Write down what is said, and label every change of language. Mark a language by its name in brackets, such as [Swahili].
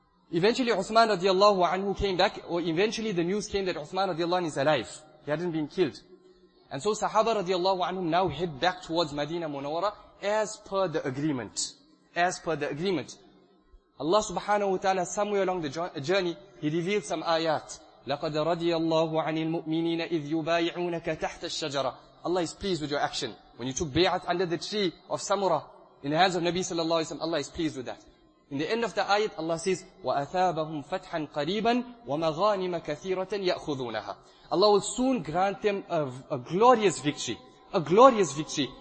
[English] Eventually Uthman radiallahu anhu came back, or eventually the news came that Uthman radiallahu anhu is alive. He hadn't been killed. And so Sahaba radiallahu anhum now head back towards Madinah Munawwara as per the agreement. As per the agreement. Allah subhanahu wa ta'ala somewhere along the journey, He revealed some ayat. [Arabic] لَقَدَ رَضِيَ اللَّهُ عَنِ الْمُؤْمِنِينَ إِذْ يُبَايِعُونَكَ تَحْتَ الشَّجَرَةِ [English] Allah is pleased with your action. When you took bay'at under the tree of Samura in the hands of Nabi sallallahu alayhi wa sallam, Allah is pleased with that. In the end of the ayat, Allah says, [Arabic] وَأَثَابَهُمْ فَتْحًا قَرِيبًا وَمَغَانِمَ كَثِيرَةً يَأْخُذُونَهَا [English] Allah will soon grant them a glorious victory. A glorious victory.